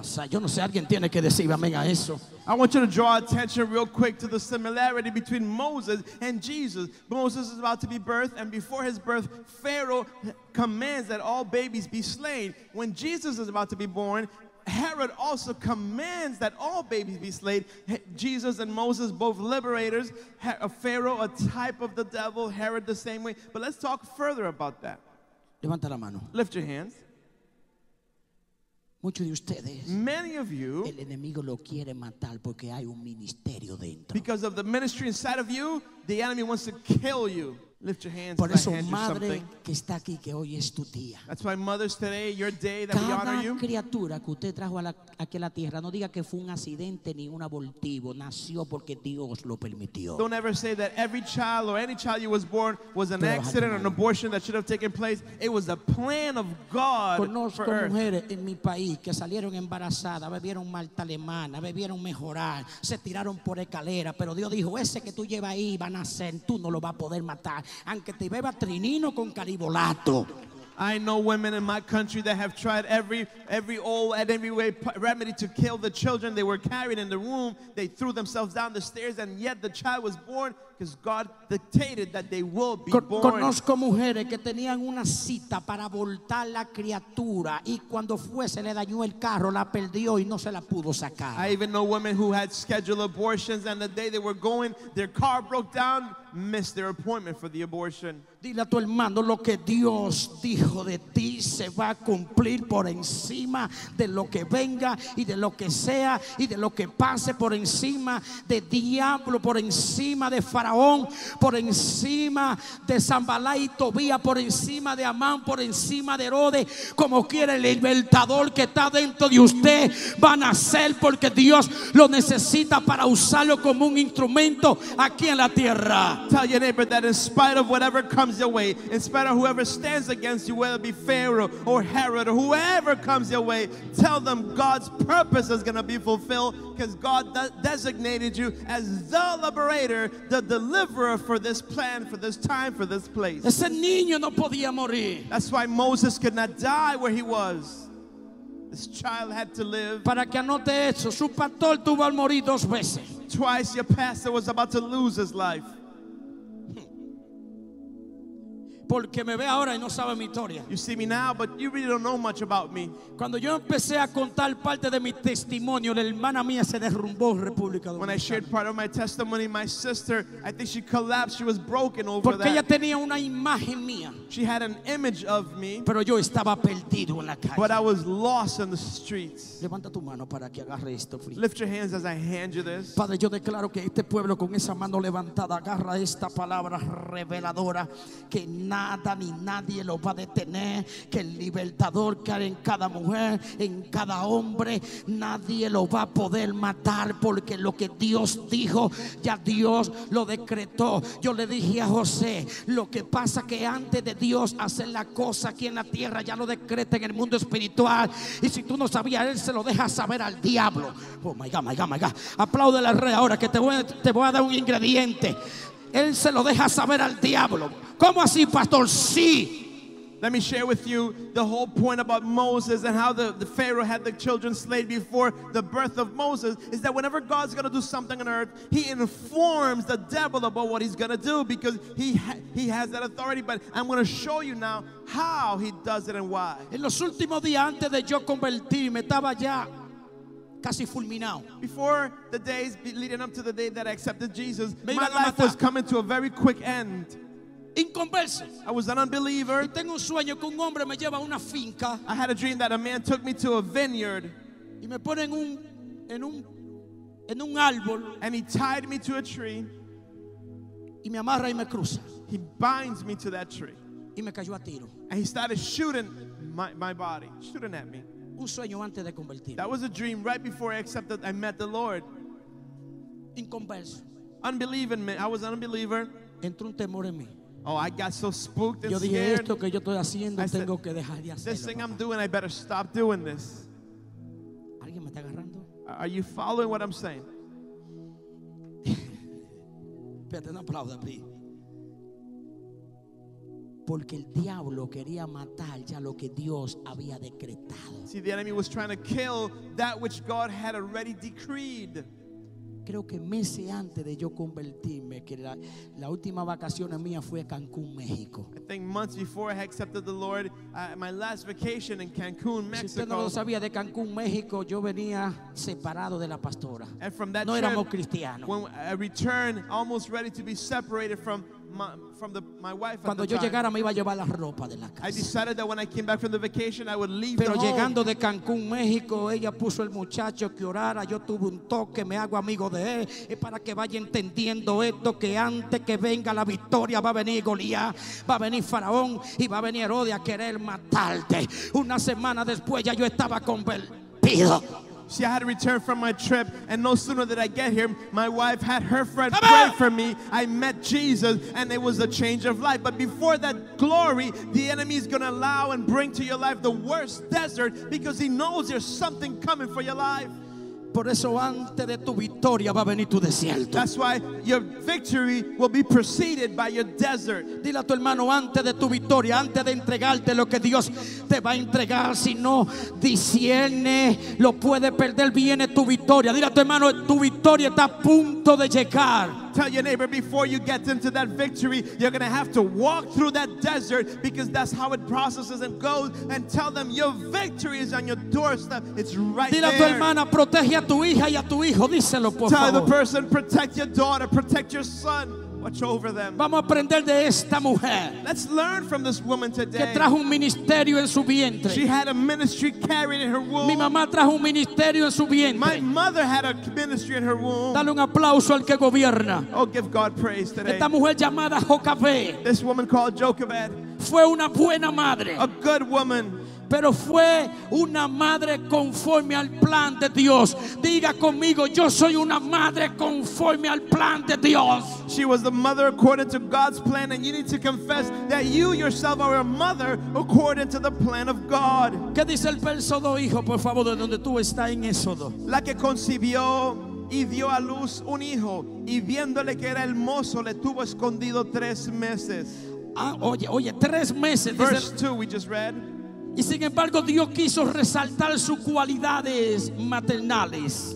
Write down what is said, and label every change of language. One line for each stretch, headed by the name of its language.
Spanish: Yo no sé, alguien tiene que decir amén a eso.
English: I want you to draw attention real quick to the similarity between Moses and Jesus. Moses is about to be birthed, and before his birth, Pharaoh commands that all babies be slain. When Jesus is about to be born, Herod also commands that all babies be slain. Jesus and Moses, both liberators. Pharaoh, a type of the devil. Herod, the same way. But let's talk further about that.
Spanish: Levanta la mano.
English: Lift your hands.
Spanish: Muchos de ustedes,
English: many of you,
Spanish: el enemigo lo quiere matar porque hay un ministerio dentro.
English: Because of the ministry inside of you, the enemy wants to kill you. Lift your hands.
Spanish: Por eso, madre que está aquí, que hoy es tu día.
English: That's why mothers today, your day that
Spanish: cada
English: we honor you.
Spanish: Cada criatura que usted trajo aquí a la tierra, no diga que fue un accidente ni un abortivo, nació porque Dios lo permitió.
English: Don't ever say that every child or any child you was born was an accident or an abortion that should have taken place. It was the plan of God.
Spanish: Conozco mujeres en mi país que salieron embarazadas, bebieron malta alemana, bebieron mejorar, se tiraron por escalera, pero Dios dijo, ese que tú llevas ahí va a nacer, tú no lo vas a poder matar. Aunque te beba trinino con caribolato.
English: I know women in my country that have tried every old and every way remedy to kill the children they were carrying in the womb. They threw themselves down the stairs and yet the child was born because God dictated that they will be born.
Spanish: Conozco mujeres que tenían una cita para abortar la criatura y cuando fue se le dañó el carro, la perdió y no se la pudo sacar.
English: I even know women who had scheduled abortions and the day they were going, their car broke down, missed their appointment for the abortion.
Spanish: Dile a tu hermano lo que Dios dijo de ti se va a cumplir por encima de lo que venga y de lo que sea y de lo que pase, por encima de diablo, por encima de Faraón, por encima de Zambalá y Tobía, por encima de Amán, por encima de Herodes. Como quiera, el libertador que está dentro de usted va a nacer porque Dios lo necesita para usarlo como un instrumento aquí en la tierra.
English: Tell your neighbor that in spite of whatever comes your way, in spite of whoever stands against you, whether it be Pharaoh or Herod or whoever comes your way, tell them God's purpose is going to be fulfilled because God designated you as the liberator, the deliverer for this plan, for this time, for this place.
Spanish: Ese niño no podía morir.
English: That's why Moses could not die where he was. This child had to live.
Spanish: Para que anote eso, su pastor tuvo al morir dos veces.
English: Twice your pastor was about to lose his life.
Spanish: Porque me ve ahora y no sabe mi historia.
English: You see me now, but you really don't know much about me.
Spanish: Cuando yo empecé a contar parte de mi testimonio, la hermana mía se derrumbó en República Dominicana.
English: When I shared part of my testimony, my sister, I think she collapsed. She was broken over that.
Spanish: Porque ella tenía una imagen mía.
English: She had an image of me.
Spanish: Pero yo estaba perdido en la calle.
English: But I was lost in the streets.
Spanish: Levanta tu mano para que agarre esto.
English: Lift your hands as I hand you this.
Spanish: Padre, yo declaro que este pueblo con esa mano levantada agarra esta palabra reveladora que nada ni nadie lo va a detener, que el libertador que hay en cada mujer, en cada hombre, nadie lo va a poder matar, porque lo que Dios dijo, ya Dios lo decretó. Yo le dije a José, lo que pasa que antes de Dios hacer la cosa aquí en la tierra, ya lo decreta en el mundo espiritual, y si tú no sabías, él se lo deja saber al diablo.
English: Oh my God, my God, my God.
Spanish: Aplaude al rey ahora que te voy a dar un ingrediente. Él se lo deja saber al diablo. ¿Cómo así, pastor? Sí.
English: Let me share with you the whole point about Moses and how the Pharaoh had the children slain before the birth of Moses is that whenever God's going to do something on earth, he informs the devil about what he's going to do because he has that authority. But I'm going to show you now how he does it and why.
Spanish: En los últimos días antes de yo convertirme, estaba ya casi fulminado.
English: Before the days leading up to the day that I accepted Jesus, my life was coming to a very quick end.
Spanish: Inconverso.
English: I was an unbeliever.
Spanish: Y tengo un sueño que un hombre me lleva a una finca.
English: I had a dream that a man took me to a vineyard.
Spanish: Y me pone en un árbol.
English: And he tied me to a tree.
Spanish: Y me amarra y me cruza.
English: He binds me to that tree.
Spanish: Y me cayó a tiro.
English: And he started shooting my body, shooting at me.
Spanish: Un sueño antes de convertirme.
English: That was a dream right before I accepted, I met the Lord.
Spanish: Inconverso.
English: Unbelieving me. I was an unbeliever.
Spanish: Entró un temor en mí.
English: Oh, I got so spooked and
Spanish: yo dije,
English: scared.
Spanish: Esto que yo estoy haciendo, I tengo said, que dejar de hacerlo,
English: this thing I'm doing, I better stop doing this.
Spanish: ¿Alguien me está agarrando?
English: Are you following what I'm saying?
Spanish: Espérate, no aplauda, please. Porque el diablo quería matar ya lo que Dios había decretado.
English: See, the enemy was trying to kill that which God had already decreed.
Spanish: Creo que meses antes de yo convertirme, que la última vacación mía fue a Cancún, México.
English: I think months before I accepted the Lord, my last vacation in Cancún, Mexico.
Spanish: Si usted no lo sabía, de Cancún, México, yo venía separado de la pastora.
English: And from that no trip,
Spanish: éramos cristianos.
English: When I returned, almost ready to be separated from my wife.
Spanish: Cuando yo llegara, me iba a llevar la ropa de la casa.
English: I decided that when I came back from the vacation, I would leave.
Spanish: Pero llegando de Cancún, México, ella puso el muchacho que orara. Yo tuve un toque, me hago amigo de él, y para que vaya entendiendo esto, que antes que venga la victoria, va a venir Goliat, va a venir Faraón y va a venir Herodes a querer matarte. Una semana después ya yo estaba convertido.
English: See, I had returned from my trip, and no sooner did I get here, my wife had her friend pray for me. I met Jesus, and it was a change of life. But before that glory, the enemy is going to allow and bring to your life the worst desert, because he knows there's something coming for your life.
Spanish: Por eso antes de tu victoria va a venir tu desierto.
English: That's why your victory will be preceded by your desert.
Spanish: Dile a tu hermano, antes de tu victoria, antes de entregarte lo que Dios te va a entregar, si no discierne, lo puede perder, viene tu victoria. Dile a tu hermano, tu victoria está a punto de llegar.
English: Tell your neighbor, before you get into that victory, you're going to have to walk through that desert, because that's how it processes and goes. And tell them, your victory is on your doorstep. It's right there.
Spanish: Dile a tu hermana, protege a tu hija y a tu hijo. Díselo, por favor.
English: Tell the person, protect your daughter, protect your son. Watch over them.
Spanish: Vamos a aprender de esta mujer.
English: Let's learn from this woman today.
Spanish: Que trajo un ministerio en su vientre.
English: She had a ministry carried in her womb.
Spanish: Mi mamá trajo un ministerio en su vientre.
English: My mother had a ministry in her womb.
Spanish: Dale un aplauso al que gobierna.
English: Oh, give God praise today.
Spanish: Esta mujer llamada Jocabé.
English: This woman called Jochebed.
Spanish: Fue una buena madre.
English: A good woman.
Spanish: Pero fue una madre conforme al plan de Dios. Diga conmigo, yo soy una madre conforme al plan de Dios.
English: She was the mother according to God's plan, and you need to confess that you yourself are a mother according to the plan of God.
Spanish: ¿Qué dice el verso 2, hijo, por favor, de donde tú estás en Éxodo? La que concibió y dio a luz un hijo, y viéndole que era hermoso, le tuvo escondido 3 meses. Ah, oye, 3 meses.
English: Verse 2, we just read.
Spanish: Y sin embargo, Dios quiso resaltar sus cualidades maternales.